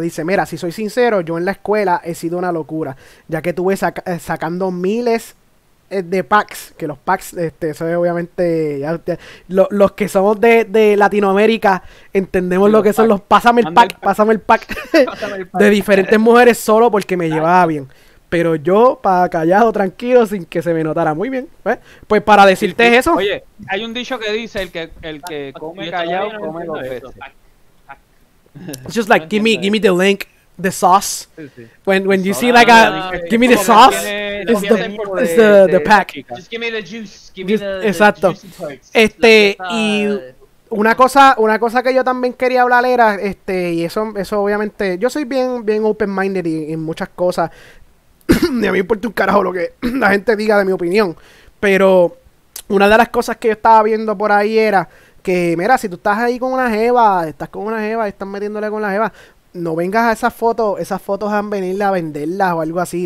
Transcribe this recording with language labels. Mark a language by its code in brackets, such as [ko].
[es] Dice, mira, si soy sincero, yo en la escuela he sido una locura, ya que tuve sacando miles de packs, que los packs, eso es obviamente, los que somos de Latinoamérica entendemos lo que son los pásame el pack de diferentes mujeres solo porque me llevaba bien, pero yo para callado, tranquilo, sin que se me notara muy bien, pues para decirte eso. Oye, hay un dicho que dice el que come callado come dos veces. [en] It's just like give me the link. The sauce. [es] Sí, sí. [en] When you see like a give me the sauce, it's the pack. Just give me the juice. Give me the [es] exacto. [en] The juicy parts. [es] Y una cosa que yo también quería hablar era y eso obviamente yo soy bien [en] open minded [es] y en muchas cosas. ni a mí me importa un carajo lo que la gente diga de mi opinión, pero una de las cosas que yo estaba viendo por ahí era que, mira, si tú estás ahí con una jeva, estás con una jeva y estás metiéndole con la jeva, no vengas a esas fotos, esas fotos a venirle a venderlas o algo así.